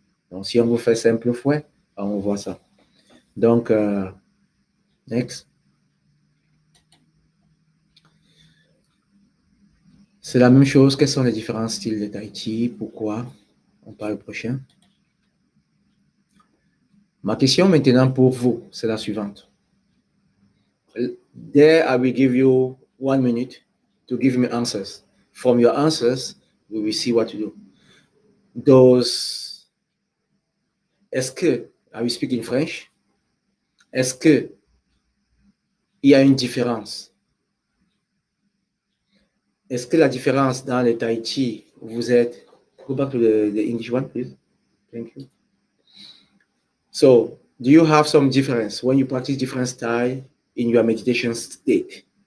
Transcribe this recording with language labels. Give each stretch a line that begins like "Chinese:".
French: Donc, si on vous fait simple fouet, on voit ça. Donc, next. C'est la même chose. Quels sont les différents styles de Tai Chi? Pourquoi? On parle prochain. Ma question maintenant pour vous, c'est la suivante.
English: There, I will give you 1 minute to give me answers. From your answers, we will see what to do. Those...
French: Est-ce que,
English: I will speak in French,
French: est-ce que il y a une différence Est-ce que la différence dans le Tai Chi, vous êtes...
English: Go back to the English one, please. Thank you. So, do you have some difference when you practice different style in your meditation state?